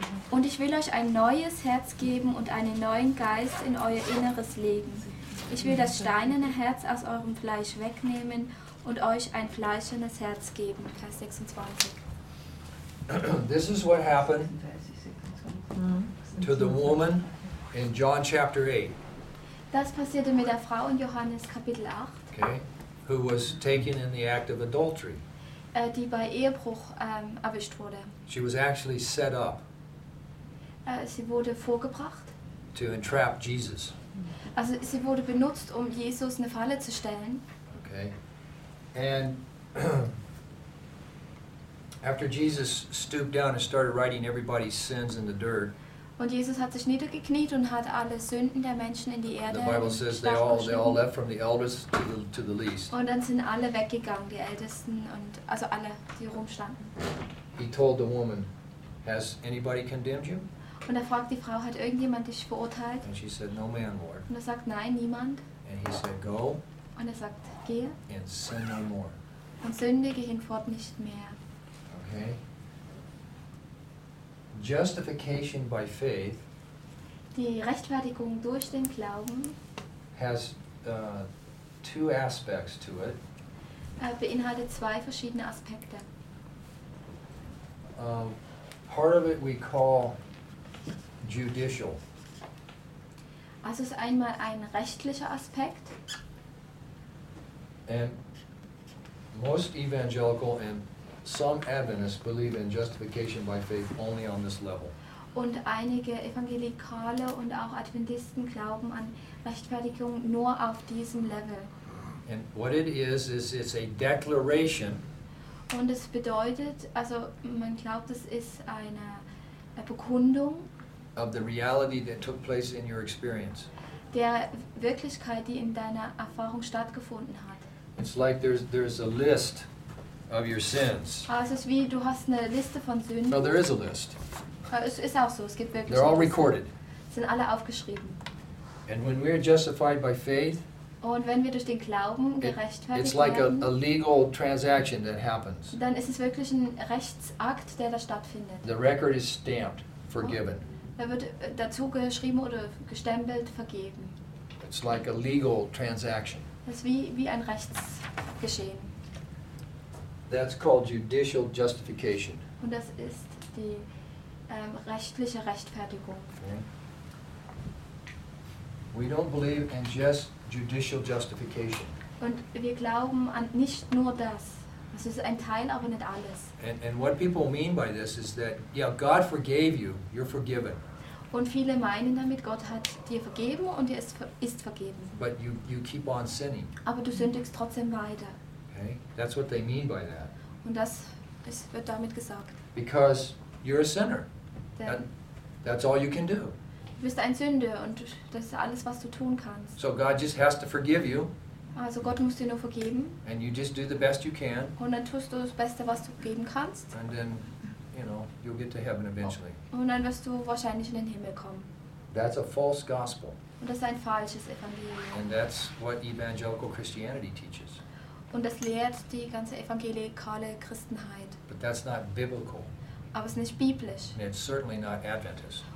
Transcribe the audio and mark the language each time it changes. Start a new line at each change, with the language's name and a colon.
German: Und ich will euch ein neues Herz geben und einen neuen Geist in euer Inneres legen. Ich will das steinerne Herz aus eurem Fleisch wegnehmen und euch ein fleischernes Herz geben. Vers 26.
English: This is what happened to the woman in John chapter 8.
German: Das passierte mit der Frau in Johannes Kapitel 8.
English: Okay. Who was taken in the act of adultery.
German: Die bei Ehebruch erwischt wurde.
English: She was actually set up.
German: Sie wurde vorgebracht.
English: To entrap Jesus.
German: Also sie wurde benutzt, um Jesus eine Falle zu stellen.
English: Okay. And after Jesus stooped down and started writing everybody's sins in the dirt.
German: Und Jesus hat sich niedergekniet und hat alle Sünden der Menschen in die Erde.
English: The Bible says they all left from the eldest to the least.
German: Und dann sind alle weggegangen, die Ältesten und also alle, die rumstanden.
English: He told the woman, "Has anybody condemned you?"
German: Und er fragt die Frau, hat irgendjemand dich verurteilt?
English: And she said, "No man, Lord."
German: Und er sagt, nein, niemand.
English: And he said, "Go."
German: Und er sagt, gehe.
English: And sin no more.
German: Und sündige hinfort nicht mehr.
English: Okay. Justification by faith.
German: Die Rechtfertigung durch den Glauben
English: has two aspects to it.
German: Beinhaltet zwei verschiedene Aspekte.
English: Part of it we call judicial.
German: Also ist einmal ein rechtlicher Aspekt.
English: And most evangelical and some Adventists believe in justification by faith only on this level.
German: Und einige Evangelikale und auch Adventisten glauben an Rechtfertigung nur auf diesem Level.
English: And what it is it's a declaration.
German: Und es bedeutet, also man glaubt, es ist eine Bekundung
English: of the reality that took place in your experience.
German: Der Wirklichkeit, die in deiner Erfahrung stattgefunden hat.
English: It's like there's a list of your sins.
German: Also es ist wie, du hast eine Liste von Sünden.
English: No, there is a list.
German: Es ist auch so, es gibt wirklich.
English: They're all recorded.
German: Sind alle aufgeschrieben.
English: And when we are justified by faith,
German: und wenn wir durch den Glauben gerechtfertigt
English: it's like
German: werden,
English: a legal transaction that happens.
German: Dann ist es wirklich ein Rechtsakt, der da stattfindet.
English: The record is stamped, forgiven.
German: Da wird dazu geschrieben oder gestempelt, vergeben.
English: It's like a legal transaction.
German: Das ist wie ein Rechtsgeschehen.
English: That's called judicial justification.
German: Und das ist die rechtliche Rechtfertigung.
English: Okay. We don't believe in just judicial justification.
German: Und wir glauben an nicht nur das. Es ist ein Teil, aber nicht alles.
English: And what people mean by this is that, yeah, God forgave you, you're forgiven.
German: Und viele meinen damit, Gott hat dir vergeben und dir ist vergeben.
English: But you keep on sinning.
German: Aber du sündigst trotzdem weiter.
English: Okay. That's what they mean by that.
German: Und das ist, wird damit gesagt.
English: Because you're a sinner. That's all you can do.
German: Du bist ein Sünder und das ist alles, was du tun kannst.
English: So God just has to forgive you.
German: Also Gott muss dir nur vergeben.
English: And you just do the best you can.
German: Und dann tust du das Beste, was du geben kannst.
English: And then, you know, you'll get to heaven eventually.
German: Und dann wirst du wahrscheinlich in den Himmel kommen.
English: That's a false gospel.
German: Und das ist ein falsches Evangelium.
English: And that's what evangelical Christianity teaches.
German: Und das lehrt die ganze evangelikale Christenheit.
English: But that's not biblical.
German: Aber es ist nicht biblisch.
English: And it's certainly not Adventist.